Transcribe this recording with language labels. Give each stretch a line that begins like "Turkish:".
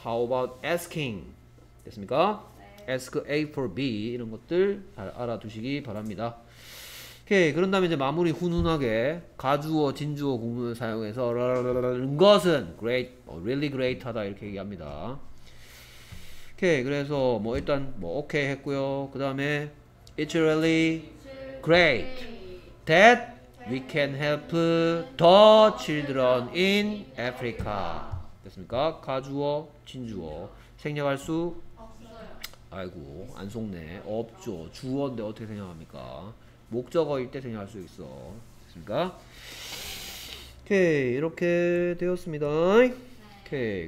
English: How about asking?
Korean: 됐습니까? Ask A for B 이런 것들 잘 알아두시기 바랍니다. 오케이. 그런 다음에 이제 마무리 훈훈하게 가주어 진주어 구문을 사용해서 라라라라라는 것은 great, really great 하다 이렇게 얘기합니다. 오케이. 그래서 뭐 일단 뭐 오케이 했고요. 그다음에
English: it's really great that we can help the children in Africa.
Korean: 됐습니까? 가주어, 진주어, 생략할 수 아이고 안 속네. 없죠. 주어인데 어떻게 생략합니까? 목적어일 때 생략할 수 있어. 됐습니까? 오케이. 이렇게 되었습니다. 오케이.